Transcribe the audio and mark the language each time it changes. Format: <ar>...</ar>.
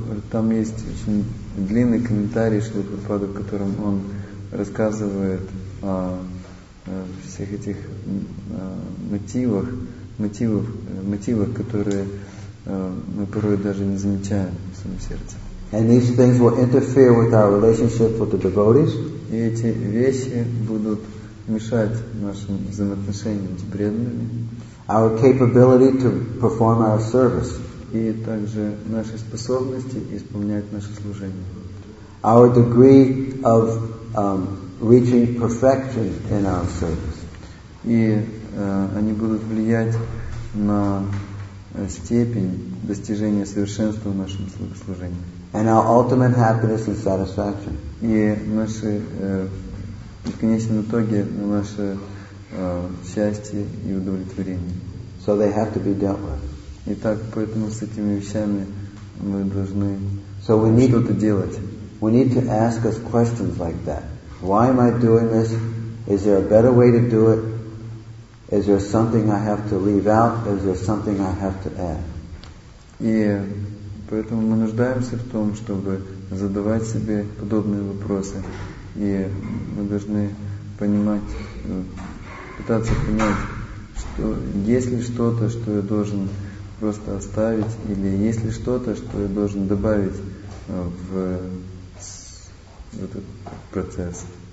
<ru>Там есть очень длинный комментарий Шрилы Прабхупады, в котором он рассказывает о всех этих мотивах, которые мы порой даже не замечаем в своем сердце.</ru> <en>And these things will interfere with our relationship with the devotees.</en> <ru>И эти вещи будут мешать нашим взаимоотношениям с преданными.</ru> <en>our capability to perform our service.</en> <ru>И также наши способности исполнять наше служение.</ru> <en>Our degree of reaching perfection in our service.</en> <ru>И они будут влиять на степень достижения совершенства в нашем служении.</ru> <en>And our ultimate happiness and satisfaction.</en> <ru>И наши в конечном итоге наше счастье и удовлетворение.</ru> <en>So they have to be dealt with.</en> <ru>Итак, поэтому с этими вещами мы должны что-то делать.</ru> <en>We need to ask us questions like that. Why am I doing this? Is there a better way to do it? Is there something I have to leave out? Is there something I have to add?</en> <ru>И поэтому мы нуждаемся в том, чтобы задавать себе подобные вопросы. И мы должны пытаться понять, что есть ли что-то, что я должен просто оставить, или есть ли что-то, что я должен добавить в этот процесс.</ru>